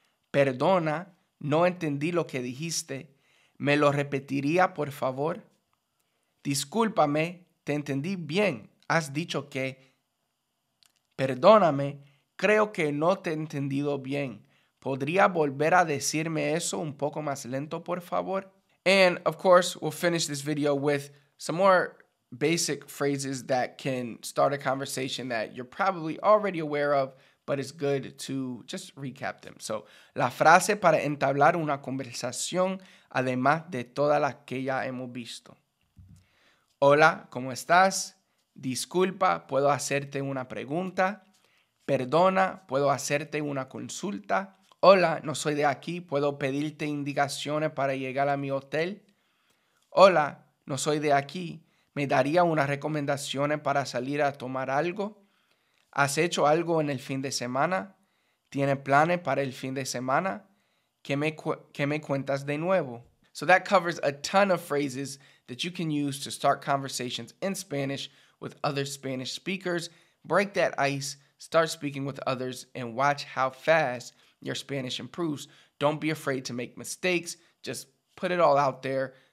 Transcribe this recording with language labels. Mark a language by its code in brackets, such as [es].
[es] Perdona, no entendí lo que dijiste. ¿Me lo repetiría, por favor? Discúlpame, te entendí bien. Has dicho que, perdóname, creo que no te he entendido bien. ¿Podría volver a decirme eso un poco más lento, por favor? [en] And, of course, we'll finish this video with some more basic phrases that can start a conversation that you're probably already aware of, but it's good to just recap them. [es] So, la frase para entablar una conversación además de todas las que ya hemos visto. Hola, ¿cómo estás? Disculpa, ¿puedo hacerte una pregunta? Perdona, ¿puedo hacerte una consulta? Hola, no soy de aquí. ¿Puedo pedirte indicaciones para llegar a mi hotel? Hola, no soy de aquí. ¿Me daría unas recomendaciones para salir a tomar algo? ¿Has hecho algo en el fin de semana? ¿Tienes planes para el fin de semana? ¿Qué me cuentas de nuevo? [en] So that covers a ton of phrases that you can use to start conversations in Spanish with other Spanish speakers. Break that ice, start speaking with others, and watch how fast your Spanish improves. Don't be afraid to make mistakes. Just put it all out there.